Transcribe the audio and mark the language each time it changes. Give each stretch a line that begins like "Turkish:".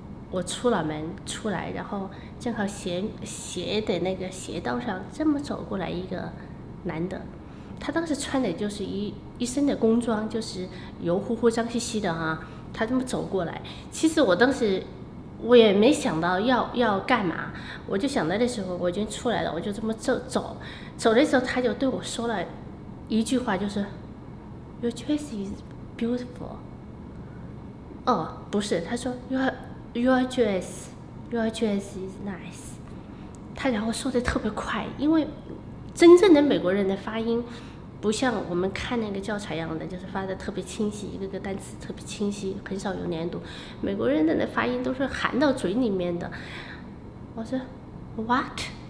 Chinese: 我出了门出来，然后正好斜的那个斜道上这么走过来一个男的，他当时穿的就是一身的工装，就是油乎乎脏兮兮的哈、他这么走过来，其实我当时我也没想到要干嘛，我就想到的时候我已经出来了，我就这么走的时候，他就对我说了一句话，就是
English: Your dress is beautiful。
Chinese: 哦，不是，他说
English: Your dress is nice。
Chinese: 他然后说的特别快，因为真正的美国人的发音不像我们看那个教材一样的，就是发的特别清晰，一个个单词特别清晰，很少有连读。美国人的发音都是含到嘴里面的。我说
English: What？